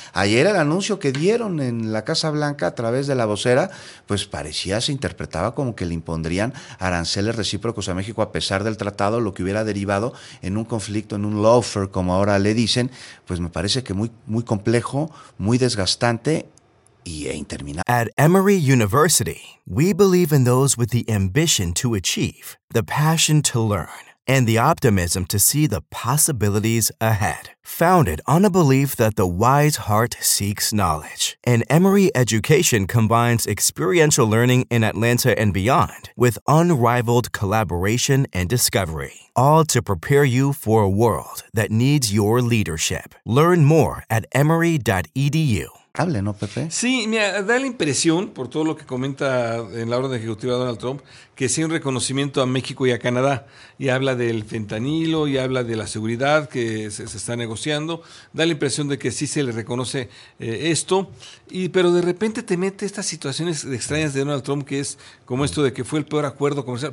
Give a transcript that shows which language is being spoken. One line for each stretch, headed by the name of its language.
Spanish: Ayer el anuncio que dieron en la Casa Blanca a través de la vocera, pues parecía, se interpretaba como que le impondrían aranceles recíprocos a México a pesar del tratado, lo que hubiera derivado en un conflicto, en un lawfare, como ahora le dicen. Pues me parece que muy, muy complejo, muy desgastante y interminable.
English: At Emory University, we believe in those with the ambition to achieve, the passion to learn, and the optimism to see the possibilities ahead. Founded on a belief that the wise heart seeks knowledge, and Emory Education combines experiential learning in Atlanta and beyond with unrivaled collaboration and discovery, all to prepare you for a world that needs your leadership. Learn more at emory.edu.
Spanish: Hable, ¿no, Pepe? Sí, mira, da la impresión, por todo lo que comenta en la orden ejecutiva de Donald Trump, que sí hay un reconocimiento a México y a Canadá. Y habla del fentanilo, y habla de la seguridad que se está negociando. Da la impresión de que sí se le reconoce esto. Pero de repente te mete estas situaciones extrañas de Donald Trump, que es como esto de que fue el peor acuerdo comercial.